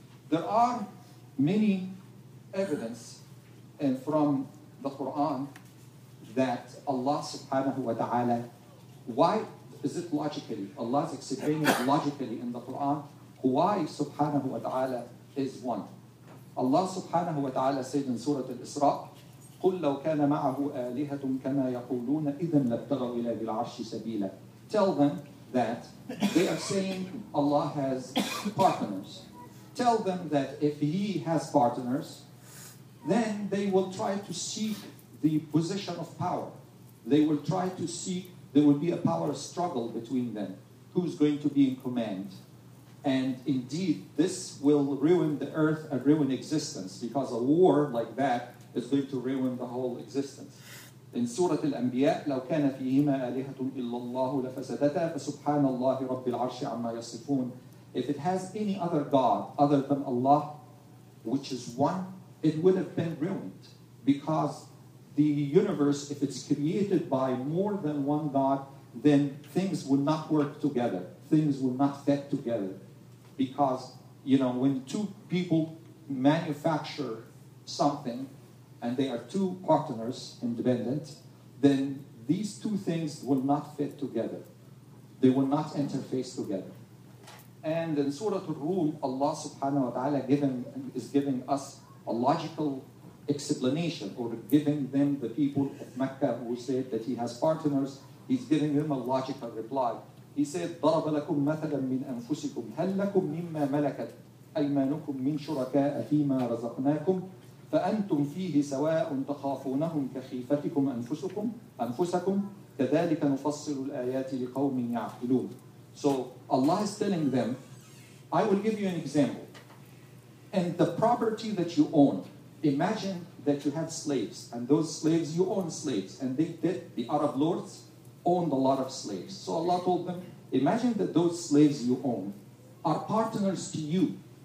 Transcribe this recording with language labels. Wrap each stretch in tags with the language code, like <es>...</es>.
<en>There are many evidence and from the Quran that Allah subhanahu wa ta'ala, why is it logically, Allah is explaining logically in the Quran, why subhanahu wa ta'ala is one. Allah subhanahu wa ta'ala said in Surah Al-Isra,</en> <ar>قُلْ لَوْ كَانَ مَعَهُ آلِهَةٌ كَمَا يَقُولُونَ إِذًا لَبْتَغَوْا إِلَى ذِي الْعَرْشِ سَبِيلًا.</ar> <en>Tell them that they are saying Allah has partners. Tell them that if He has partners, then they will try to seek the position of power. They will try to seek, there will be a power struggle between them. Who's going to be in command? And indeed, this will ruin the earth and ruin existence, because a war like that is going to ruin the whole existence. In Surah Al-Anbiya,</en> <ar>لَوْ كَانَ فِيهِمَا أَلِهَةٌ إِلَّا اللَّهُ لَفَسَدَتَا فَسُبْحَانَ اللَّهِ رَبِّ الْعَرْشِ عَمَّا يَصِفُونَ.</ar> <en>If it has any other God other than Allah, which is one, it would have been ruined. Because the universe, if it's created by more than one God, then things would not work together. Things will not fit together. Because, you know, when two people manufacture something and they are two partners, independent, then these two things will not fit together. They will not interface together. And in Surah Ar-Rum, Allah subhanahu wa ta'ala is giving us a logical explanation, or giving them, the people of Mecca who said that He has partners, He's giving them a logical reply. He said,</en> <ar>ضَرَبَ لَكُمْ مَثَلًا مِّنْ أَنفُسِكُمْ هَلْ لَكُمْ مِمَّا مَلَكَتْ أَيْمَانُكُمْ مِّنْ شُرَكَاءَ فِي مَا رَزَقْنَاكُمْ فَأَنْتُمْ فِيهِ سَوَاءٌ تَخَافُونَهُمْ كَخِيفَتِكُمْ أَنفُسَكُمْ كَذَلِكَ نُفَصِّلُ الْآيَاتِ لِقَوْمٍ يَعْقِلُونَ.</ar> <en>So Allah is telling them, I will give you an example. And the property that you own, imagine that you had slaves, and those slaves, you own slaves, and they did, the Arab lords owned a lot of slaves. So Allah told them, imagine that those slaves you own are partners to you.</en>